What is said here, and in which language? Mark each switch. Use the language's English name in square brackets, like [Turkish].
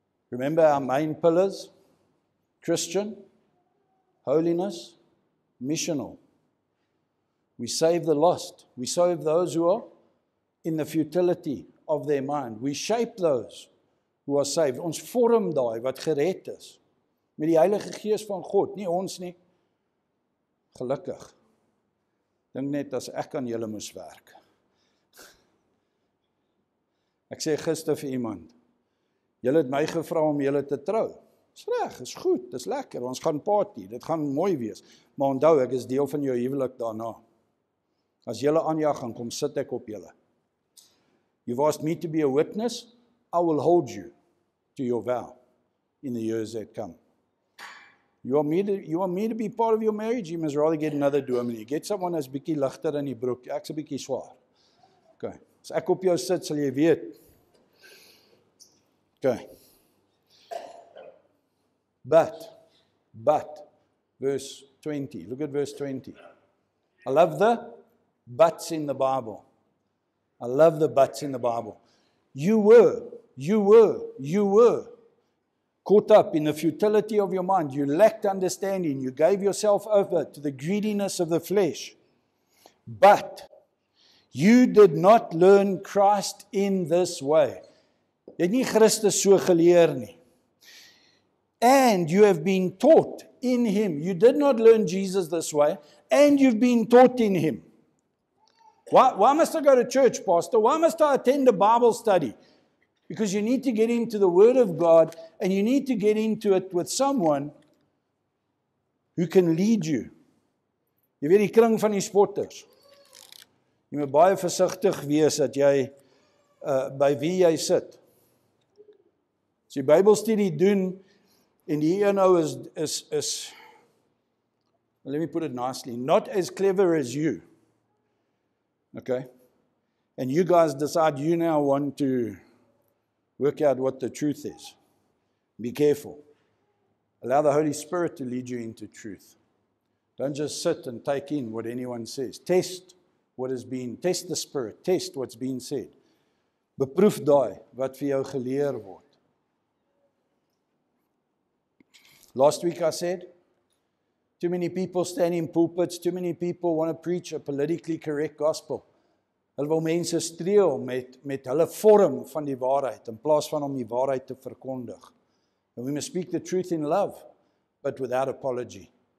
[English] Remember our main pillars? Christian, holiness, missional. We save the lost. We save those who are in the futility of their mind. We shape those who are saved. [Afrikaans] Ons vorm daai wat gered is met die Heilige Gees van God, nie ons nie. Gelukkig. Dink net as ek aan julle moes werk. Ek sê gister vir iemand, julle het my gevra om julle te trou. Dis reg, is goed, dis lekker. Ons gaan party, dit gaan mooi wees. Maar onthou, ek is deel van jou huwelik daarna. As julle aanjag gaan kom, sit ek op julle. [English] You've asked me to be a witness, I will hold you to your vow in the years that come. You want me to be part of your marriage? You must rather get another dominie. Get someone that's a bit lighter in your broek. Ek's a bit swaar. Okay. [Afrikaans] As ek op jou sit, sal jy weet. [English] Okay. But, verse 20. Look at verse 20. I love the buts in the Bible. I love the buts in the Bible. You were caught up in the futility of your mind. You lacked understanding. You gave yourself over to the greediness of the flesh. But you did not learn Christ in this way. [Afrikaans] Jy het nie Christus so geleer nie. [English] And you have been taught in Him. You did not learn Jesus this way. And you've been taught in Him. Why must I go to church, Pastor? Why must I attend a Bible study? Because you need to get into the Word of God and you need to get into it with someone who can lead you. [Afrikaans] Jy weet die kring van die sporters. Jy moet baie versigtig wees dat jy by wie jy sit. As jy Bybelstudie doen en die een ou is, [English] let me put it nicely, not as clever as you. Okay, and you guys decide you now want to work out what the truth is. Be careful. Allow the Holy Spirit to lead you into truth. Don't just sit and take in what anyone says. Test the Spirit. Test what's being said. [Afrikaans] Beproef daai wat vir jou geleer word. [English] Last week I said, too many people stand in pulpits, too many people want to preach a politically correct gospel. [Afrikaans] Hulle wil mense streel met hulle vorm van die waarheid, in plaas van om die waarheid te verkondig. [English] And we must speak the truth in love, but without apology.